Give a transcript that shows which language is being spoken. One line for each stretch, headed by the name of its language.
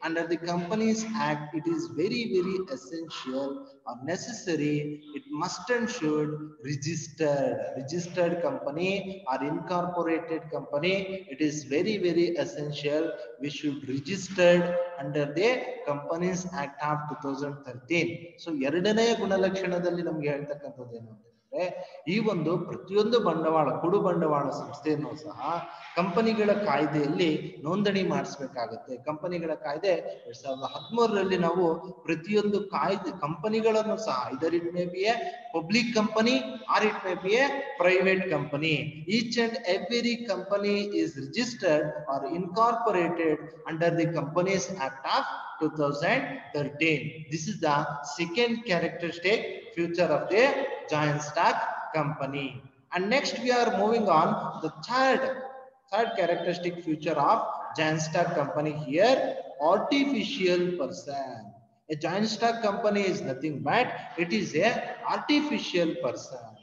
English: Under the Companies Act, it is very, very essential or necessary. It must and should registered company or incorporated company. It is very, very essential. We should registered under the Companies Act of 2013. So,
Kannada: ಎರಡನೆಯ ಗುಣಲಕ್ಷಣದಲ್ಲಿ ನಮಗೆ ಹೇಳ್ತಕ್ಕಂಥದ್ದು ಏನು ಅಂತ ಹೇಳಿದ್ರೆ, ಈ ಒಂದು ಪ್ರತಿಯೊಂದು ಬಂಡವಾಳ ಕೊಡು ಬಂಡವಾಳ ಸಂಸ್ಥೆಯನ್ನು ಸಹ ಕಂಪನಿಗಳ ಕಾಯ್ದೆಯಲ್ಲಿ ನೋಂದಣಿ ಮಾಡಿಸಬೇಕಾಗುತ್ತೆ. ಕಂಪನಿಗಳ ಕಾಯ್ದೆ 2013 ನಾವು ಪ್ರತಿಯೊಂದು ಕಾಯ್ದೆ ಕಂಪನಿಗಳನ್ನು ಸಹ
English: Either it may be a public company or it may be a private company, each and every company is registered or incorporated under the companies act of 2013. This is the second characteristic feature of the giant stock company. And next we are moving on the third characteristic feature of giant stock company. Here, artificial person. A giant stock company is nothing but it is a artificial person.